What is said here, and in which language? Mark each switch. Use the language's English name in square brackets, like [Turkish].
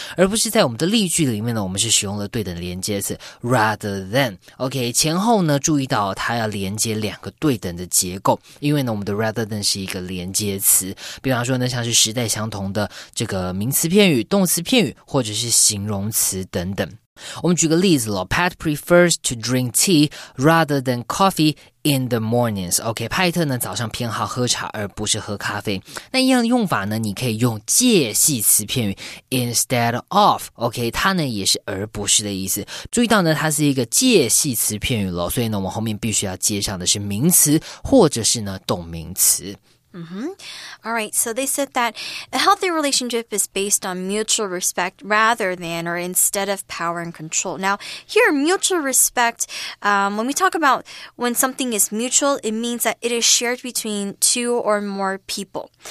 [Chinese] 而不是在我们的例句里面呢我们是使用了对等连接词 rather than OK, 前后呢注意到它要连接两个对等的结构因为呢我们的 rather than 是一个连接词比方说呢像是时代相同的这个名词片语、动词片语或者是形容词等等。我们举个例子了 [English] Pat prefers to drink tea rather than coffee in the mornings. [Chinese] OK, 派特呢早上偏好喝茶而不是喝咖啡。那一样的用法呢你可以用介系词片语 instead of. OK, 它呢也是而不是的意思。注意到呢它是一个介系词片语了所以呢我们后面必须要接上的是名词或者是呢动名词。 [English] All right, so they said that a healthy relationship is based on mutual respect rather than or instead of power and control. Now, here, mutual respect, when we talk about when something is mutual, it means that it is shared between two or more people.